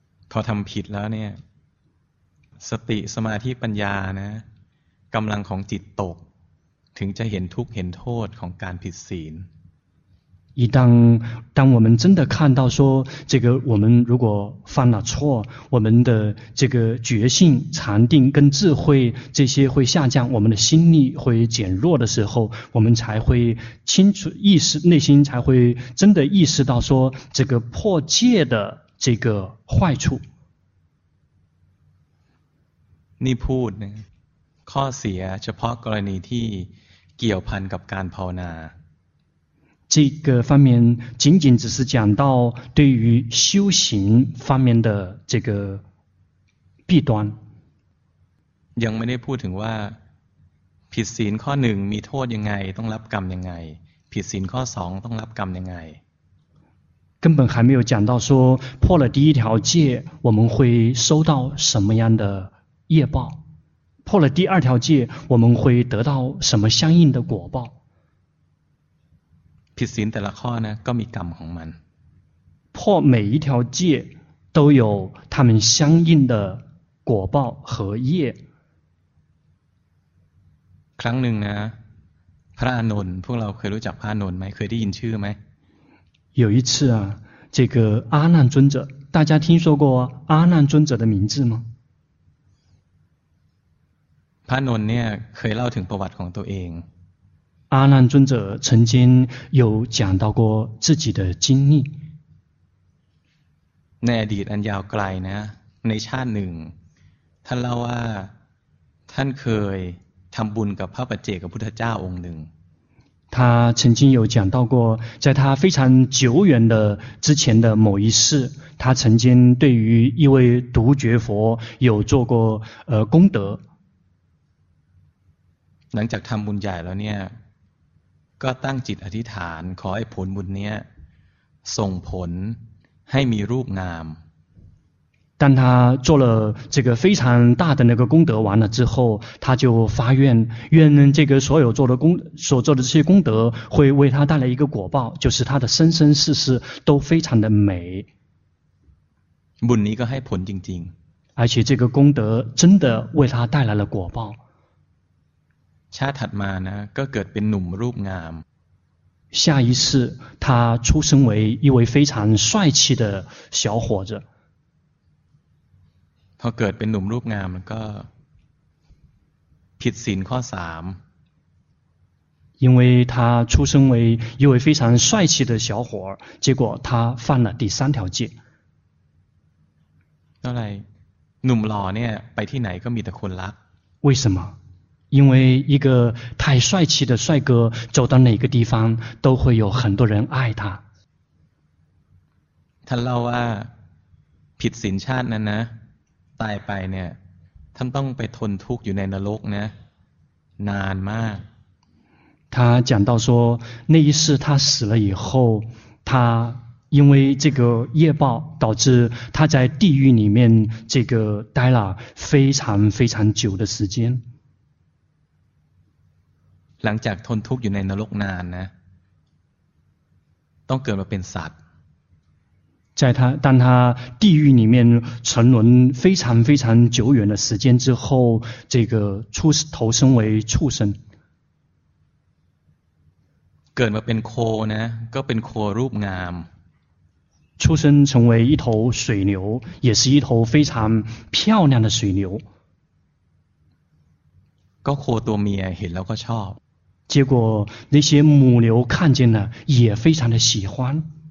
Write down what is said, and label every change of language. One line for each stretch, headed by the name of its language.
Thai: พอทำผิดแล้วเนี่ยสติสมาธิปัญญานะกำลังของจิตตกถึงจะเห็นทุกข์เห็นโทษของการผิดศีล
Chinese: 一旦我们真的看到说这个我们如果犯了错我们的这个觉性禅定跟智慧这些会下降我们的心力会减弱的时候我们才会清楚意识内心才会真的意识到说这个破戒的这个坏处
Thai: นี่พูดนะข้อเสียเฉพาะกรณีที่เกี่ยวพันกับการภาวนา
Chinese: 这个方面仅仅只是讲到对于修行方面的这个弊端
Thai: ยังไม่ได้พูดถึงว่าผิดศีลข้อ1มีโทษยังไงต้องรับกรรมยังไงผิดศีลข้อ2ต้องรับกรรมยังไง
Chinese: 根本还没有讲到说破了第一条戒我们会收到什么样的业报破了第二条戒我们会得到什么相应的果报
Thai: ผิดศีลแต่ละข้อนะก็มีกรรมของมัน
Chinese: 破每一条戒都有他们相应的果报和业
Thai: ครั้งหนึ่งนะพระอานนท์พวกเราเคยรู้จักพระอานนท์ไหมเคยได้ยินชื่อไหม
Chinese: 有一次啊这个阿难尊者大家听说过阿难尊者的名字吗
Thai: พระนนท์เนี่ยเคยเล่าถึงประวัติของตัวเอง
Chinese: 阿难尊者曾经有讲到过自己的经历
Thai: ในอดีตอันยาวไกลนะในชาติหนึ่งท่านเล่าว่าท่านเคยทำบุญกับพระปัจเจกพุทธเจ้าองค์หนึ่ง
Chinese: 他曾经有讲到过在他非常久远的之前的某一世他曾经对于一位独觉佛有做过功德
Thai: หลังจากทำบุญใหญ่แล้วเนี่ยก็ตั้งจิตอธิษฐานขอให้ผลบุญเนี้ยส่งผลให้มีรูปงาม
Chinese: 当他做了这个非常大的那个功德完了之后他就发愿愿这个所有做的功所做的这些功德会为他带来一个果报就是他的生生世世都非常的美
Thai: บุญนี้ก็ให้ผลจริง
Chinese: ๆ而且这个功德真的为他带来了果报
Thai: ชาติถัดมานะก็เกิดเป็นหนุ่มรูปงาม
Chinese: 下一次他出生为一位非常帅气的小伙子
Thai: พอเกิดเป็นหนุ่มรูปงามมันก็ผิดศีลข้อ3
Chinese: 因为他出生为一位非常帅气的小伙结果他犯了第三条戒
Thai: อะไร หนุ่มหล่อเนี่ยไปที่ไหนก็มีแต่คนรัก
Chinese: 为什么因为一个太帅气的帅哥走到哪个地方都会有很多人爱他
Thai: ท่านเล่าว่าผิดศีลชาตินั้นนะตายไปเนี่ยท่านต้องไปทนทุกข์อยู่ในนรกนะนานมาก
Chinese: 他讲到说那一世他死了以后他因为这个业报导致他在地狱里面这个待了非常非常久的时间
Thai: หลังจากทนทุกข์อยู่ในนรกนานนะต้องเกิดมาเป็นสัตว์
Chinese: 在他当他地狱里面沉沦非常非常久远的时间之后这个出投生为畜生
Thai: เกิดมาเป็นโคนะก็เป็นโครูปงาม
Chinese: 出生成为一头水牛也是一头非常漂亮的水牛
Thai: ก็โคตัวเมียเห็นแล้วก็ชอบ
Chinese: 结果那些母牛看见了也非常的喜欢